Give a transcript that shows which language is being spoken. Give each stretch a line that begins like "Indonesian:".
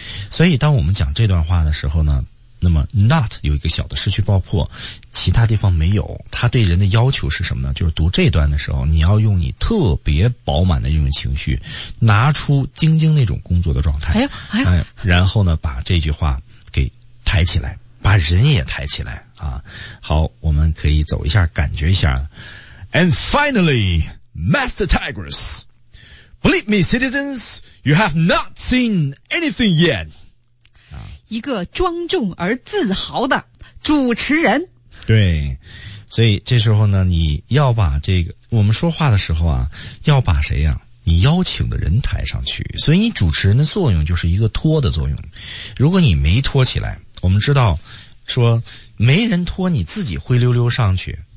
Chinese: 所以当我们讲这段话的时候呢，那么 not 有一个小的失去爆破，其他地方没有，他对人的要求是什么呢？就是读这段的时候你要用你特别饱满的那种情绪，拿出晶晶那种工作的状态，哎呦哎呦，然后呢把这句话给抬起来，把人也抬起来啊。好，我们可以走一下感觉一下。
English: And finally, Master Tigress, Believe me, citizens,You have not seen anything yet.
Chinese: 一个庄重而自豪的主持人。对。所以这时候呢，你要把这个，我们说话的时候啊，要把谁啊，你邀请的人抬上去。所以你主持人的作用就是一个托的作用。如果你没托起来，我们知道说没人托，你自己灰溜溜上去。